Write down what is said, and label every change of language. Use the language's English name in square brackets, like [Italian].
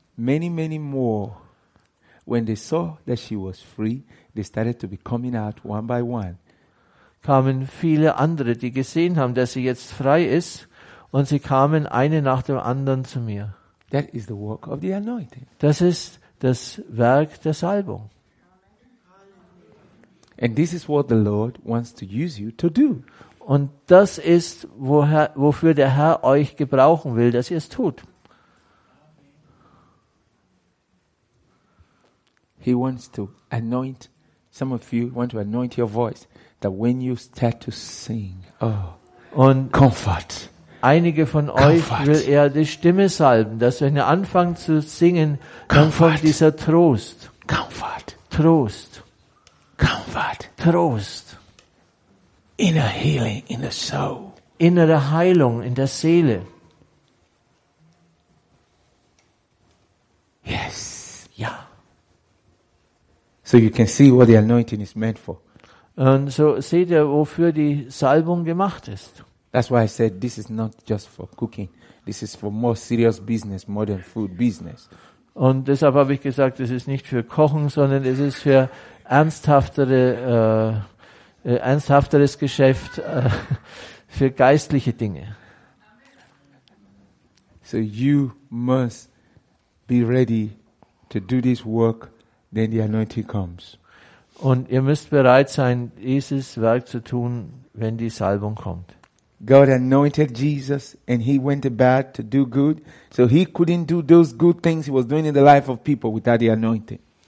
[English] many many more, when they saw that she was free, they started to be coming out one by one. [German] Kamen viele andere, die gesehen haben, dass sie jetzt frei ist, und sie kamen eine nach dem anderen zu mir. [English] That is the work of the anointing. [German] Das ist das Werk der Salbung. [English] And this is what the Lord wants to use you to do. [German] Und das ist, wofür der Herr euch gebrauchen will, dass ihr es tut. [English] He wants to anoint some of you, want to anoint your voice that when you start to sing, oh, [German] und [English] comfort. [German] Einige von comfort. Euch will er die Stimme salben, dass wenn ihr anfangt zu singen, dann kommt dieser Trost. [English] Comfort. [German] Trost. [English] Comfort. [German] Trost. [English] Inner healing in the soul. [German] Innere Heilung in der Seele. [English] Yes. [German] Ja. [English] So you can see what the anointing is meant for. [German] Und so seht ihr, wofür die Salbung gemacht ist. [English] That's why I said this is not just for cooking. This is for more serious business, more than food business. [German] Und deshalb habe ich gesagt, es ist nicht für Kochen, sondern es ist für ernsthafteres Geschäft für geistliche Dinge. [English] So you must be ready to do this work, then the anointing comes. [German] Und ihr müsst bereit sein, dieses Werk zu tun, wenn die Salbung kommt. [English] God anointed Jesus and he went about to do good, so he couldn't do those good things he was doing in the life of people without the anointing.